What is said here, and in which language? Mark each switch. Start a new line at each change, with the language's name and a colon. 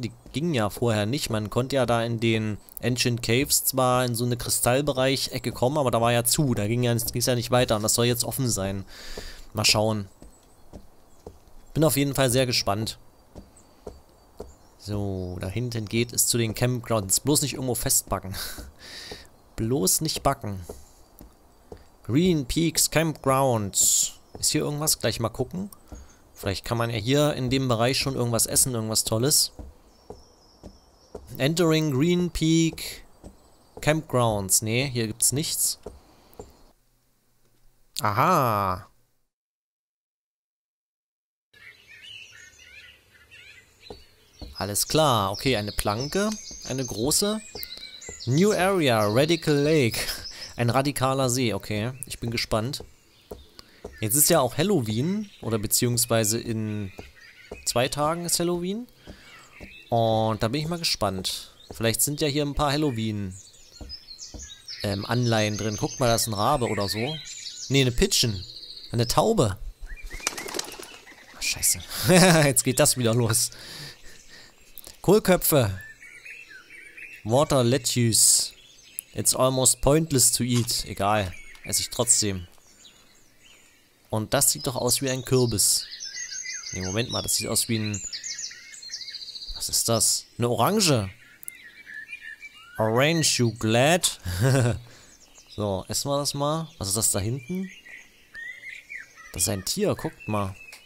German: Die gingen ja vorher nicht. Man konnte ja da in den Ancient Caves zwar in so eine Kristallbereich-Ecke kommen, aber da war ja zu. Da ging's ja nicht weiter und das soll jetzt offen sein. Mal schauen. Bin auf jeden Fall sehr gespannt. So, da hinten geht es zu den Campgrounds. Bloß nicht irgendwo festbacken. Bloß nicht backen. Green Peaks Campgrounds. Ist hier irgendwas? Gleich mal gucken. Vielleicht kann man ja hier in dem Bereich schon irgendwas essen, irgendwas Tolles.
English: Entering Green Peak Campgrounds.
German: Nee, hier gibt's nichts. Aha. Alles klar, okay, eine Planke, eine große. New Area, Radical Lake, ein radikaler See, okay, ich bin gespannt. Jetzt ist ja auch Halloween, oder beziehungsweise in 2 Tagen ist Halloween. Und da bin ich mal gespannt. Vielleicht sind ja hier ein paar Halloween-Anleihen drin. Guck mal, da ist ein Rabe oder so. Nee, eine Pigeon, eine Taube. Ach, scheiße, jetzt geht das wieder los.
English: Kohlköpfe. Water lettuce. It's almost pointless to eat.
German: Egal. Esse ich trotzdem. Und das sieht doch aus wie ein Kürbis. Ne, Moment mal. Das sieht aus wie ein... Was ist das? Eine Orange.
English: Orange, you glad?
German: So, essen wir das mal. Was ist das da hinten? Das ist ein Tier. Guckt mal.